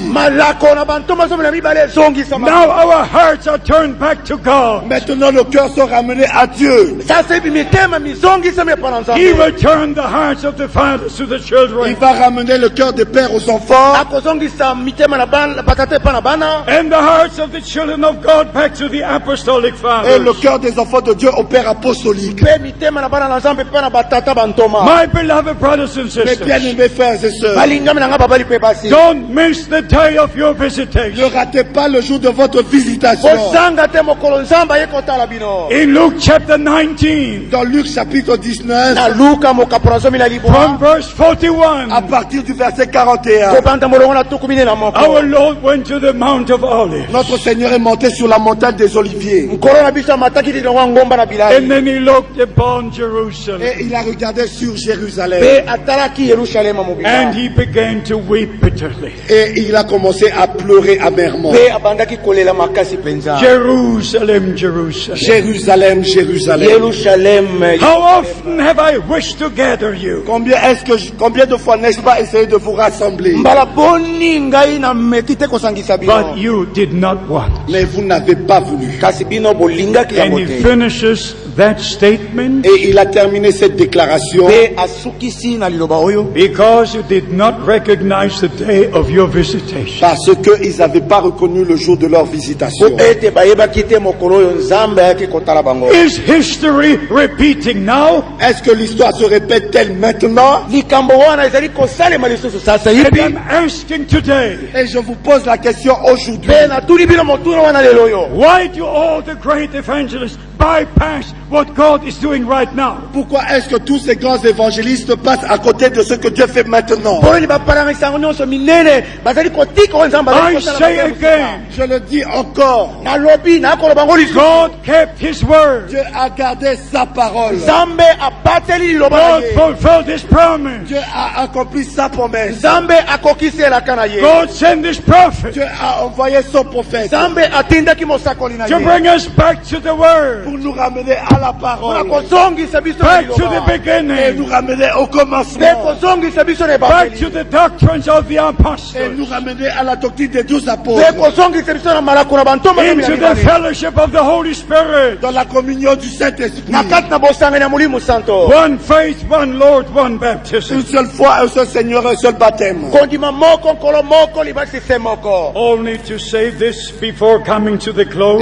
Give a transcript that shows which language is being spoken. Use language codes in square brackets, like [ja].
[en] Now our hearts are turned back to God. [fr] Maintenant nos cœurs sont ramenés à Dieu. [en] He will turn the hearts of the fathers to the children. [fr] Il va ramener le cœur des pères aux enfants. [en] And the hearts of the children of God back to the apostolic fathers. [fr] Et le cœur des enfants de Dieu au Père apostolique. [en] My beloved brothers and sisters. [fr] Mes bien-aimés frères et sœurs. [en] Don't miss the day of your visitation. [fr] Ne ratez pas le jour de votre visitation. [en] In Luke chapter 19. [fr] Dans Luc chapitre 19. [en] From verse 41. [fr] À partir du verset 41. [en] Our Lord went to the Mount of Olives. [fr] Notre Seigneur est monté sur la montagne des Oliviers. [en] And then he looked upon Jerusalem. [fr] Et il a regardé sur Jérusalem. [en] And he began to weep bitterly. [fr] Et il a commencé à pleurer amèrement. [en] Jerusalem, Jerusalem. [fr] Jerusalem, Jerusalem. [en] Jerusalem. How often have I wished to gather you? [fr] Combien de fois n'ai-je pas essayé de vous rassembler? [en] But you did not want. [fr] Mais vous n'avez pas voulu. [en] And he finishes that statement. [fr] Et il a terminé cette déclaration. [en] Because you did not recognize the day of your visitation. [fr] Parce que ils n'avaient pas reconnu le jour de leur visitation. [en] Is history repeating now? [fr] Est-ce que l'histoire se répète-t-elle maintenant? [en] And I'm asking today. [fr] Et je vous pose la question aujourd'hui. [en] Why do all the great evangelists bypass what God is doing right now? [fr] Pourquoi est-ce que tous ces grands évangélistes passent à côté de ce que Dieu fait maintenant? [en] I say again, [fr] je le dis encore. [en] God kept his word. [fr] Dieu a gardé sa parole. Zambe a battu [en] God fulfilled his promise. [fr] Dieu a accompli sa promesse. Zambe a conquisté la canaille. [en] God sent his prophet. [fr] Dieu a envoyé son prophète. Zambe a tindé qui mosta kolina. [en] To bring us back to the word. [fr] Pour nous ramener à la parole. [en] Back to the beginning. [fr] Et nous ramener au commencement. [en] Back to the doctrines of the apostles. [fr] Et nous ramener à la doctrine des 12 apôtres. [en] Into the fellowship of the Holy Spirit. [fr] Dans la communion du Saint-Esprit. [en] One faith, one Lord, one baptism. [fr] Une seule foi, un seul Seigneur, un seul baptême. [en] Only to say this before coming to the close.